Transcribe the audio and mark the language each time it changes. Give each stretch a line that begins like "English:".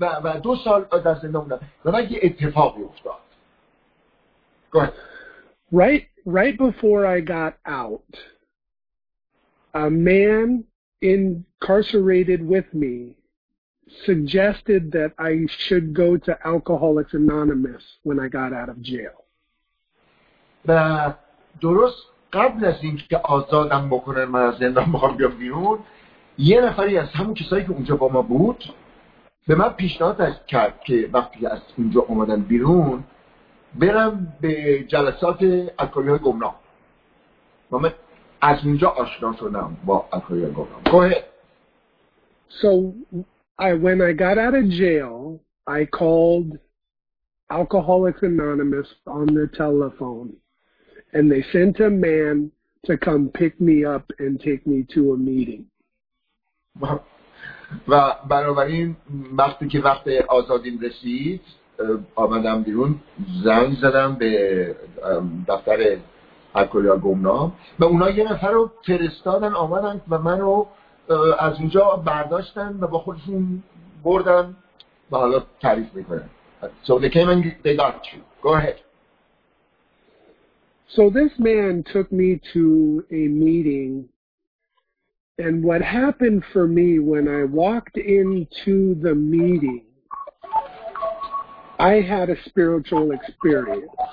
Persian: و 2 سال در زندان بودم و من یه اتفاقی افتاد.
English: Go ahead. Right before I got out, a man incarcerated with me suggested that I should go to Alcoholics Anonymous when I got out of jail.
Persian: و درست قبل از اینکه آزادم بکنن من از زندان بخوام بیام بیرون، یه نفری از همون کسایی که اونجا با ما بود به من پیشنهاد کرد که وقتی از اونجا اومدن بیرون برم به جلسات الکلیه گمنام و من از اونجا آشنا شدم با الکلیه گمنام.
English: Go ahead. When I got out of jail, I called Alcoholics Anonymous on the telephone, and they sent a man to come pick me up and take me to a meeting.
Persian: و بنابراین وقتی که وقت آزادیم رسید آمدم بیرون، زنگ زدم به دفتر الکلیه گمنام و اونا یه نفر رو فرستادن آمدن و من رو از اونجا برداشتن و با خودشون بردن و حالا تعریف میکنن.
English: So they came and they got you. Go ahead. So this man took me to a meeting, and what happened for me when I walked into the meeting, I had a spiritual experience.